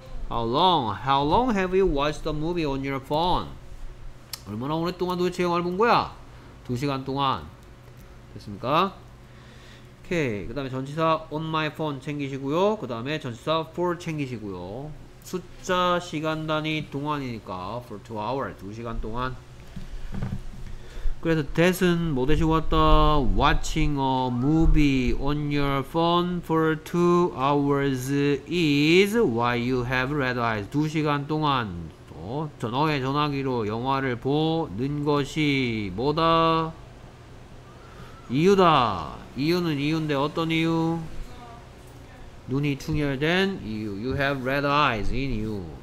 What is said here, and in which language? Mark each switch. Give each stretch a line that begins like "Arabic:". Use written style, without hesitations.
English: How long have you watched the movie on your phone?
Korean: 얼마나 오랫동안 도대체 영화를 본 거야? 2시간 동안. 됐습니까? 오케이. 그 다음에 전치사
English: on my phone
Korean: 챙기시고요. 그 다음에 전치사 for 챙기시고요. 숫자 시간 단위 동안이니까
English: for 2 hours,
Korean: 2시간 동안. 그래서 that은 뭐 대신 왔다?
English: Watching a movie on your phone for 2 hours is why you have red eyes.
Korean: 2시간 동안 너의 전화기로 영화를 보는 것이 뭐다? 이유다. 이유는 이유인데 어떤 이유? 눈이 충혈된 이유.
English: You have red eyes in you.